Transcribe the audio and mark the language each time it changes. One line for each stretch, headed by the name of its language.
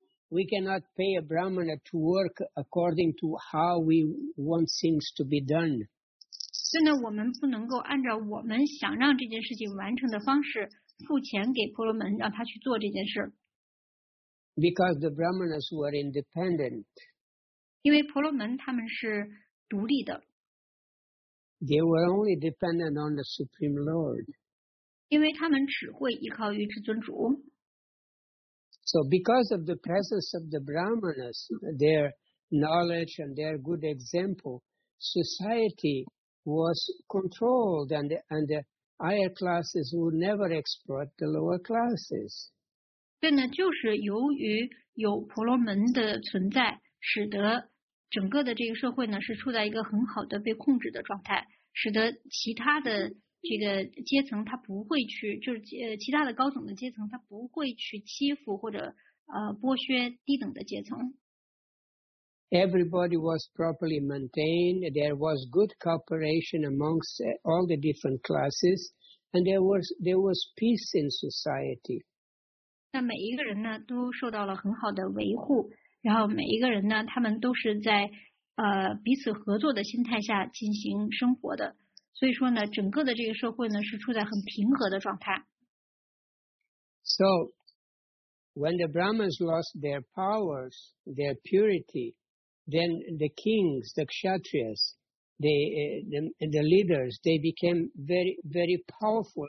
English: We cannot pay a Brahmana to work according to how we want things to be done.
Chinese: 所以呢，我们不能够按照我们想让这件事情完成的方式付钱给婆罗门，让他去做这件事。
English: Because the Brahmanas were independent.
Chinese: 因为婆罗门他们是独立的。
English: They were only dependent on the Supreme Lord.
Chinese: 因为他们只会依靠于至尊主。
English: So because of the presence of the Brahmanas, their knowledge and their good example, society was controlled and the higher classes would never exploit the lower classes.
Chinese: 对呢，就是由于有婆罗门的存在，使得整个的这个社会呢，是处在一个很好的被控制的状态，使得其他的这个阶层他不会去，就是其他的高等的阶层他不会去欺负或者剥削低等的阶层。
English: Everybody was properly maintained. There was good cooperation amongst all the different classes, and there was peace in society.
Chinese: 那每一个人呢，都受到了很好的维护。然后每一个人呢，他们都是在彼此合作的心态下进行生活的，所以说呢，整个的这个社会呢是处在很平和的状态。
English: So, when the Brahmins lost their powers, their purity, then the kings, the Kshatriyas, the leaders, they became very, very powerful.